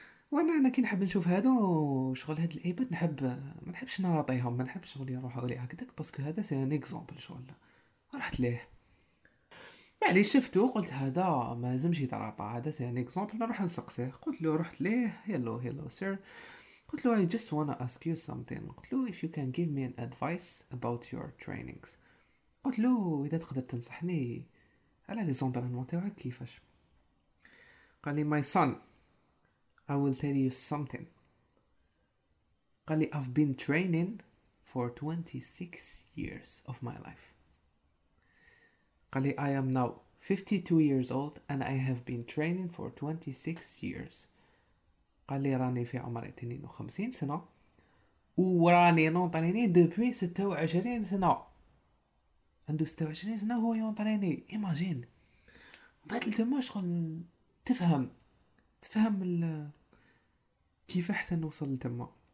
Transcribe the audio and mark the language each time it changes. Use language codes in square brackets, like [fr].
[ar] وانا كي نحب نشوف هادو شغل هاد الايباد، نحب ما نحبش نراطيهم، ما نحبش شغل يروحوا لي هكذاك، باسكو هذا سي ان اكزامبل شغل رحت ليه، معليش شفتو قلت هذا ما لازمش يتراطى، هذا سي ان اكزامبل نروح نسقسيه. قلت له رحت ليه، [en] hello hello sir, [ar] قلت له اي جست وانا اسك يو سمثين، قلت له اف يو كان جيف مي ان ادفايس اباوت يور ترينينغز، قلت له اذا تقدر تنصحني على لي زونترينمون تاعك كيفاش. قال لي [en] My son I will tell you something. قالي I've been training for 26 years of my life. قالي I am now 52 years old and I have been training for 26 years. [ar] قالي راني في عمر 52 سنة وراني نونطريني دوبوي 26 سنة. عندو 26 سنة هو ينطريني، إيماجين. بعد التما شغل تفهم كيف حتى نوصل لتما.